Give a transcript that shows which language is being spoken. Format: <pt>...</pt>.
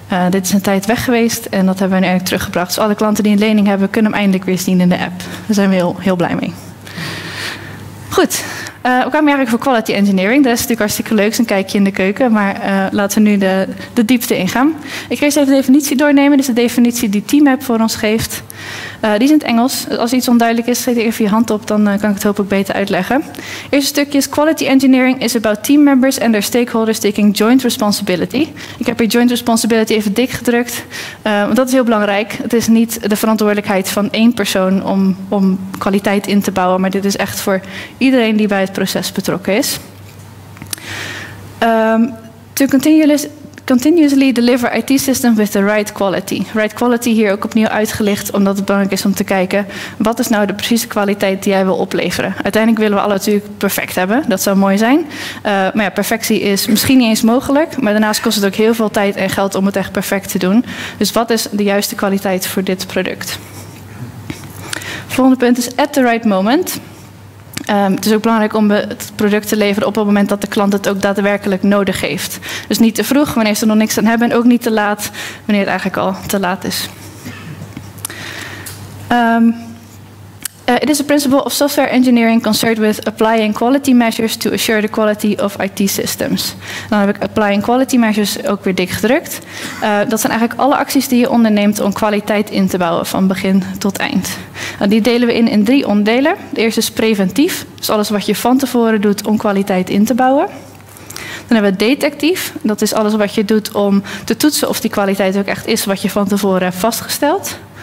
<nl>Dit is een tijd weg geweest en dat hebben we nu eigenlijk teruggebracht. Dus alle klanten die een lening hebben, kunnen hem eindelijk weer zien in de app. Daar zijn we heel blij mee. Goed. We kwamen eigenlijk voor quality engineering. Dat is natuurlijk hartstikke leuk. Een kijkje in de keuken. Maar laten we nu de diepte ingaan. Ik ga eerst even de definitie doornemen. Dus de definitie die TeamApp voor ons geeft. Die is in het Engels. Als iets onduidelijk is, steek even je hand op. Dan kan ik het hopelijk beter uitleggen. Eerste stukje is:</nl> <en>quality engineering is about team members and their stakeholders taking joint responsibility.</en> <nl>Ik heb hier joint responsibility even dik gedrukt. Want dat is heel belangrijk. Het is niet de verantwoordelijkheid van één persoon om kwaliteit in te bouwen. Maar dit is echt voor iedereen die bij het proces betrokken is.</nl> <en>To continuously deliver IT systems with the right quality.</en> <nl>Right quality hier ook opnieuw uitgelicht, omdat het belangrijk is om te kijken, wat is nou de precieze kwaliteit die jij wil opleveren? Uiteindelijk willen we alle natuurlijk perfect hebben. Dat zou mooi zijn. Maar ja, perfectie is misschien niet eens mogelijk. Maar daarnaast kost het ook heel veel tijd en geld om het echt perfect te doen. Dus wat is de juiste kwaliteit voor dit product? Volgende punt is</nl> <en>at the right moment.</en> <nl>Het is ook belangrijk om het product te leveren op het moment dat de klant het ook daadwerkelijk nodig heeft. Dus niet te vroeg, wanneer ze er nog niks aan hebben. En ook niet te laat, wanneer het eigenlijk al te laat is.</nl> <en>It is a principle of software engineering concerned with applying quality measures to assure the quality of IT systems.</en> <nl>Dan heb ik</nl> <en>applying quality measures</en> <nl>ook weer dik gedrukt. Dat zijn eigenlijk alle acties die je onderneemt om kwaliteit in te bouwen van begin tot eind. Die delen we in drie onderdelen. De eerste is preventief, dus alles wat je van tevoren doet om kwaliteit in te bouwen. Dan hebben we detectief, dat is alles wat je doet om te toetsen of die kwaliteit ook echt is wat je van tevoren hebt vastgesteld.</nl>